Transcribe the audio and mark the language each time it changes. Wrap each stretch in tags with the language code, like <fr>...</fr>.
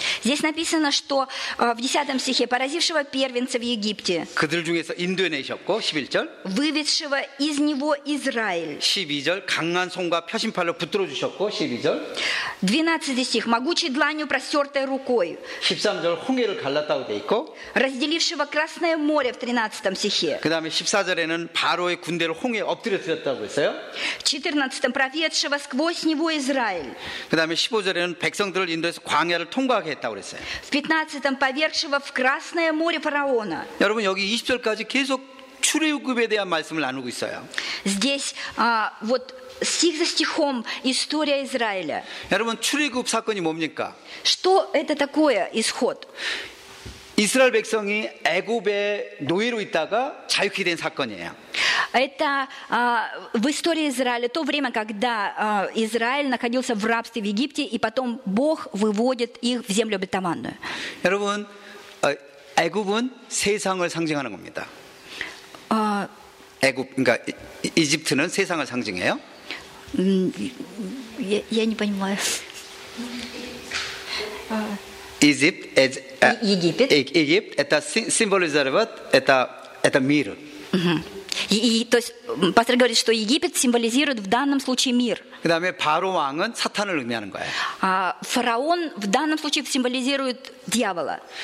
<ru>Здесь написано, что в 10 стихе поразившего первенца в Египте.</ru> <ko>그들 중에서 인도해내셨고 11절.</ko> <ru>Выведшего из него Израиль.</ru> <ko>12절 강한 손과 펴심팔로 붙들어 주셨고 12절.</ko> <ru>12 стих могучей дланью простёртой рукой.</ru> <ko>13절 홍해를 갈랐다고 돼 있고.</ko> <ru>Разделившего Красное море в 13 стихе.</ru> <ko>그다음에 14절에는 바로의 군대를 홍해 엎드려 드렸다고 했어요.</ko> <ru>14 проведшего сквозь него Израиль.</ru> <ko>그다음에 15절에는 백성들을 인도해서 광야를 통과하게 했다고 그랬어요.</ko> <ru>В 15 повергшего в Красное море фараона.</ru> <ko>여러분 여기 20절까지 계속 출애굽에 대한 말씀을 나누고 있어요.</ko> <ru>Здесь, вот стих за стихом история Израиля.</ru> <ko>여러분 출애굽 사건이 뭡니까?</ko> <ru>Что это такое исход?</ru> <ko>이스라엘 백성이 애굽에 노예로 있다가 자유케 된 사건이에요.</ko> <ru>Это в истории Израиля то время, когда Израиль находился в рабстве в Египте, и потом Бог выводит их в землю обетованную.</ru> <ko>여러분, 애굽은 세상을 상징하는 겁니다. 애굽, 그러니까 이집트는 세상을 상징해요?</ko> <ru>Я не понимаю.</ru> <en>Egypt,</en> <ru>Египет. Египет это символизирует это мир. И то есть пастор говорит, что Египет символизирует в данном случае мир.</ru> <ko>그다음에 바로 왕은 사탄을 의미하는 거예요.</ko> <ru>아, фараон в данном случае символизирует дьявола.</ru>